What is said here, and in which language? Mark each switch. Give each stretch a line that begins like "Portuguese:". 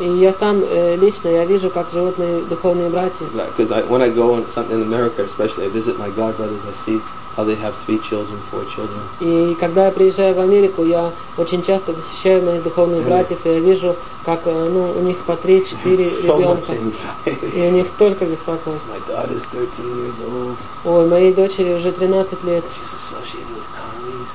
Russian: И я сам лично я вижу, как живут мои духовные братья.
English: Because when I go on something in America, especially, I visit my god brothers, I see how they have 3 children, 4 children.
Russian: И когда я приезжаю в Америку, я очень часто посещаю моих духовных братьев, и я вижу, как у них по 3-4 ребенка. И у них столько беспокойств.
English: My daughter is 13 years old.
Russian: Ой, моей дочери уже 13 лет.
English: She's associated with Karmis.